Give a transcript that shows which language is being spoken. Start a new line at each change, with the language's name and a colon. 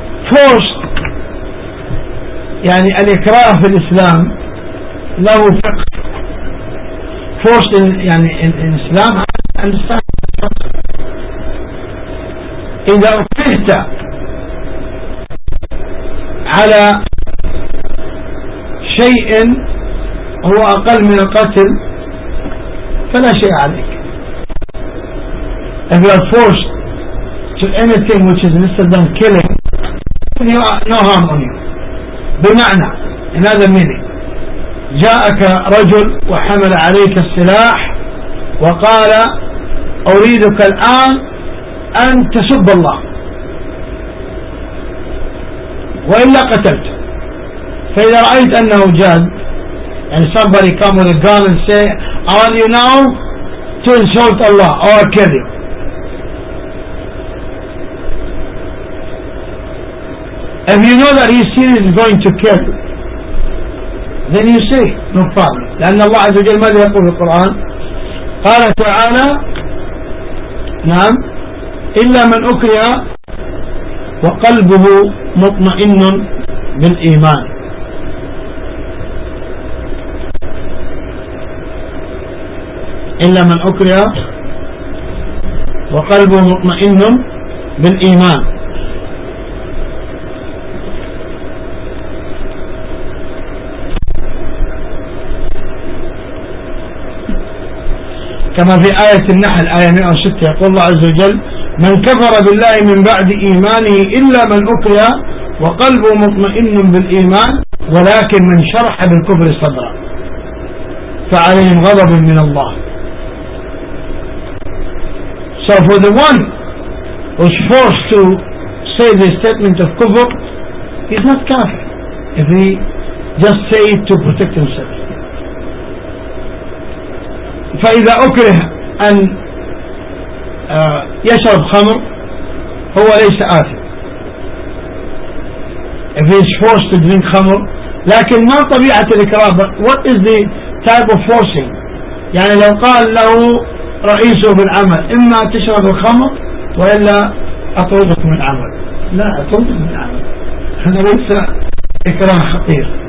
English: Forced
Arabic: يعني الإكراه في الإسلام له فقه،
English: forced in
Arabic: يعني
English: in Islam understand.
Arabic: إذا أكرهت على شيء هو أقل من القتل فلا شيء عليك.
English: If you are forced to anything which is less than killing then you are no harm on you.
Arabic: بمعنى
English: in other meaning،
Arabic: جاءك رجل وحمل عليك السلاح وقال أريدك الآن أن تسب الله وإلا قتلت، فإذا رأيت أنه جاد
English: and somebody come with a gun and say I want you now to insult Allah or kill you، if you know that he's serious going to kill you then you say no problem.
Arabic: لأن الله عز وجل ماذا يقول في القرآن؟ قال تعالى نعم إلا من أكره وقلبه مطمئن بالإيمان. إلا من أكره وقلبه مطمئن بالإيمان. كما في آية النحل آية 106 يقول الله عز وجل من كفر بالله من بعد إيمانه إلا من أكره وقلبه مطمئن بالإيمان ولكن من شرح بالكفر صدرا فعليهم غضب من الله.
English: So for the one who's forced to say the statement of kufr he's not kafir if he just say it to protect himself.
Arabic: فإذا أكره أن يشرب خمر هو ليس آثم.
English: If he is forced to drink
Arabic: خمر، لكن ما طبيعة الإكراه؟
English: What is the type of forcing؟
Arabic: يعني لو قال له رئيسه في العمل إما تشرب الخمر وإلا أطردك من العمل، لا أطردك من العمل، هذا ليس إكراه خطير.